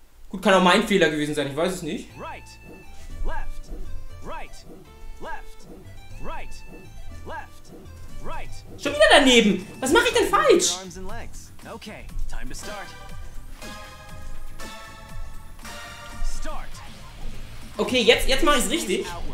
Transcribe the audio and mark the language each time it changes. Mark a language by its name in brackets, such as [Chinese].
[German] Gut, kann auch mein Fehler gewesen sein. Ich weiß es nicht. [English] Right, left, right, left, right, left, right. [German] Schon wieder daneben. Was mache ich denn falsch? Okay, [English] time to start. Start. [German] Okay, jetzt mache ich es richtig.